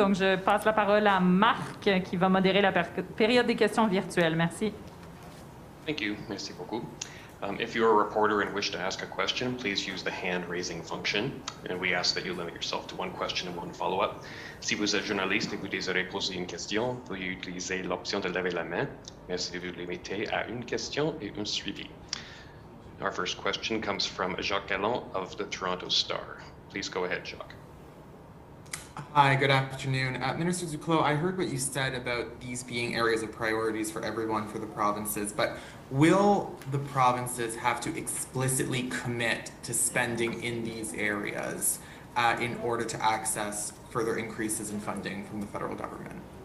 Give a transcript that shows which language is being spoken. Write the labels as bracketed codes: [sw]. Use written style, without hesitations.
[fr] Donc, je passe la parole à Marc qui va modérer la période des questions virtuelles. Merci. [en] Thank you. [fr] Merci beaucoup. [en] If you're a reporter and wish to ask a question, please use the hand-raising function. And we ask that you limit yourself to 1 question and 1 follow-up. [fr] Si vous êtes journaliste et vous désirez poser une question, veuillez utiliser l'option de lever la main. Merci de vous limiter à 1 question et 1 suivi. [en] Our first question comes from Jacques Gallant of the Toronto Star. Please go ahead, Jacques. Hi, good afternoon. Minister Duclos, I heard what you said about these being areas of priorities for everyone for the provinces, but will the provinces have to explicitly commit to spending in these areas in order to access further increases in funding from the federal government?